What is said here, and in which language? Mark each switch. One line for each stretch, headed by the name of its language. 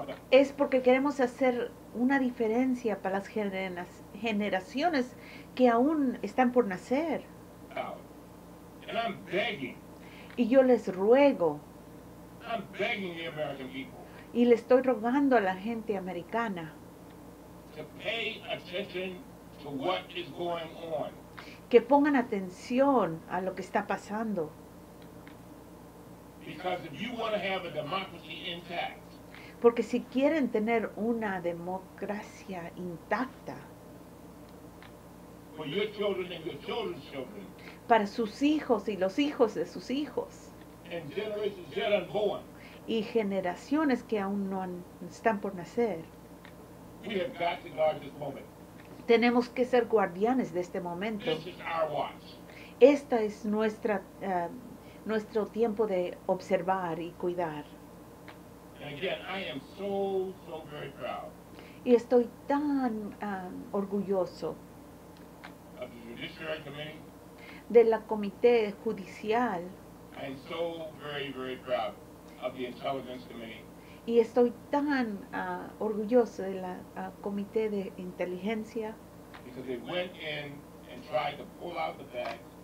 Spanish: Es porque queremos hacer una diferencia para las generaciones que aún están por nacer.
English: And I'm begging.
Spanish: Y yo les ruego.
English: I'm begging the American people.
Spanish: Y le estoy rogando a la gente americana.
English: To pay attention to what is going on.
Spanish: Que pongan atención a lo que está pasando.
English: Because if you want to have a democracy intact,
Spanish: porque si quieren tener una democracia intacta
English: for your children and your children's children,
Spanish: para sus hijos y los hijos de sus hijos
English: and generations yet unborn,
Spanish: y generaciones que aún no están por nacer,
English: we have got to guard this moment.
Spanish: Tenemos que ser guardianes de este momento. Esta es nuestro tiempo de observar y cuidar.
English: Again, I am so, so very proud.
Spanish: Y estoy tan orgulloso
English: Judiciary Committee.
Spanish: De la Comité Judicial.
English: I am so very, very proud of the Intelligence Committee.
Spanish: Y estoy tan orgulloso de la Comité de Inteligencia.
English: Because they went in and tried to pull out the bag.